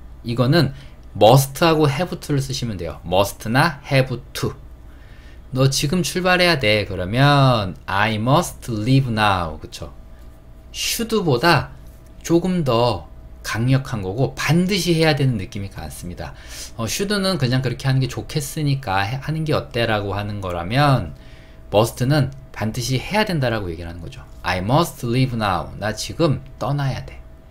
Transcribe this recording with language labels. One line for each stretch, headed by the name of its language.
Korean: 이거는 must하고 have to를 쓰시면 돼요. must나 have to. 너 지금 출발해야 돼. 그러면
English: I must leave now.
Korean: 그쵸? should보다 조금 더 강력한 거고, 반드시 해야 되는 느낌이 강합니다. should는 그냥 그렇게 하는 게 좋겠으니까 하는 게 어때라고 하는 거라면, must는 반드시 해야 된다라고 얘기를 하는 거죠.
English: I must leave now.
Korean: 나 지금 떠나야 돼.